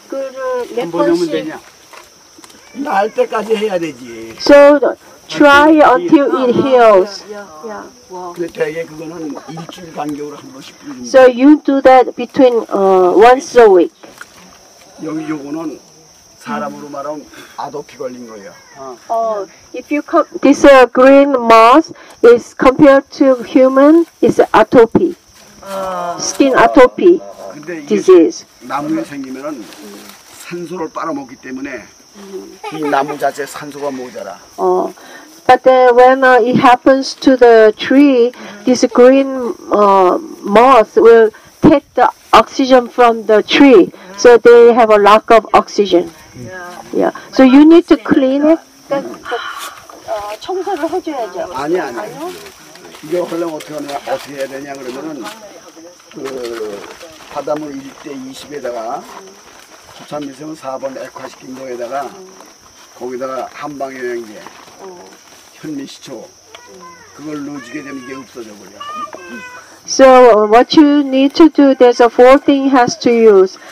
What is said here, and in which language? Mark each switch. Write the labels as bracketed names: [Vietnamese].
[Korean] 그 몇 번씩 날 때까지 해야 되지. [English] So try until it heals. Yeah. Wow. [Korean] 근데 대개 그거는 일주일 간격으로 한 번씩 뿌리는. [English] So you do that between once a week. [Korean] 여기 요거는 사람으로 말하면 아도피 걸린 거예요. [English] If you this green moss is compared to human, it's atopy. Skin atopy disease. [Korean] 나무에 생기면은 산소를 빨아먹기 때문에 이 나무 자체 산소가 모자라. [English] But then when it happens to the tree, this green moss will take the oxygen from the tree, so they have a lack of oxygen. Yeah. So you need to clean it. [Korean] 청소를 해줘야죠. 아니 아니. 이거 하려면 어떻게 해야 되냐 그러면은. 그 바닷물 1대 20에다가 주산미생 4번 액화시킨 거에다가 거기다가 한방영양제 현미시초 그걸 넣어주게 되면 이게 없어져 버려. [English] So what you need to do, there's a four thing has to use.